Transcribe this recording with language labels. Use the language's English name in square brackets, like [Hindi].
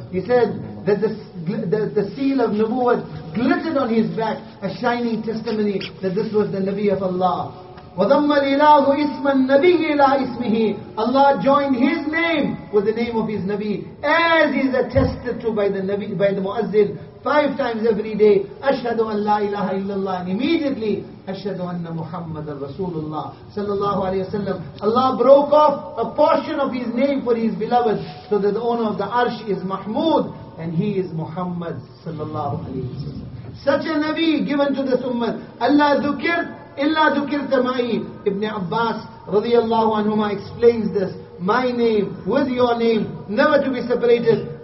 [English] He said that the seal of Nubuwat glittered on his back, a shining testimony that this was the Nabi of Allah. [Arabic] وَضَمَّ الْإِلَهُ إِسْمَ النَّبِيِّ إِلَىٰ إِسْمِهِ. [English] Allah joined his name with the name of his Nabi, as is attested to by the Nabi, by the Muazzin, five times every day. [Arabic] أَشْهَدُ أَنْ لَا إِلَهَ إِلَّا اللَّهِ. [English] And immediately, [Arabic] أَشْهَدُ أَنَّ مُحَمَّدًا رَسُولُ اللَّهِ صلى الله عليه وسلم. [English] Allah broke off a portion of his name for his beloved, so that the owner of the arsh is Mahmud, and he is Muhammad sallallahu alayhi wa sallam. Such a Nabi given to this Ummah. [Arabic] Allah dhukir illa dhukirta ma'i. [English] Ibn Abbas radiyallahu anhuma explains this. My name with your name, never to be separated.